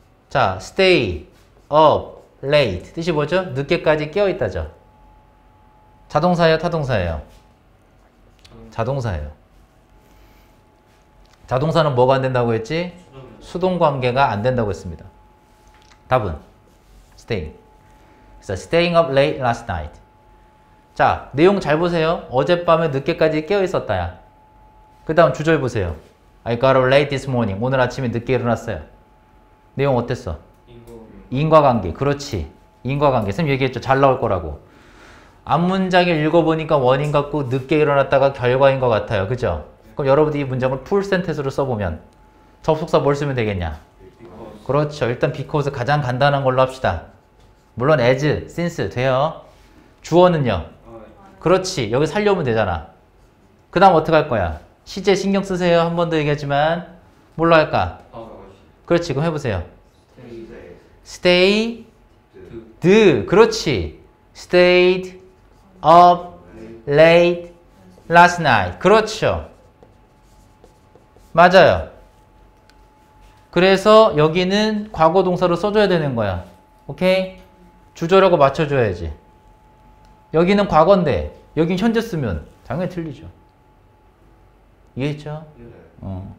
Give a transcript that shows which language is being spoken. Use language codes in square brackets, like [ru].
[ko] 자, [en] stay up late [ko] 뜻이 뭐죠? 늦게까지 깨어 있다죠. 자동사예요, 타동사예요? 자동사예요. 자동사는 뭐가 안 된다고 했지? 수동 관계가 안 된다고 했습니다. 답은 stay. [en] So staying up late last night. [ko] 자, 내용 잘 보세요. 어젯밤에 늦게까지 깨어 있었다야. 그 다음 주절 보세요. [en] I got up late this morning. [ko] 오늘 아침에 늦게 일어났어요. 내용 어땠어? 인과관계. 그렇지. 인과관계. 선생님 얘기했죠. 잘 나올 거라고. 앞 문장을 읽어보니까 원인 같고 늦게 일어났다가 결과인 것 같아요. 그죠? 그럼 여러분들이 이 문장을 풀 센텐스로 써보면 접속사 뭘 쓰면 되겠냐? [en] Because. [ko] 그렇죠. 일단 because 가장 간단한 걸로 합시다. 물론 as, since 돼요. 주어는요? 그렇지. 여기 살려면 되잖아. 그 다음 어떻게 할 거야? 시제 신경 쓰세요. 한 번 더 얘기하지만 뭘로 할까? 그렇지. 그럼 해보세요. [en] Stay [ko] the. 그렇지. [en] Stayed up late last night. [ko] 그렇죠. 맞아요. 그래서 여기는 과거 동사로 써줘야 되는 거야. 오케이? 주절하고 맞춰줘야지. 여기는 과거인데 여긴 현재 쓰면 당연히 틀리죠. 이해했죠? 어,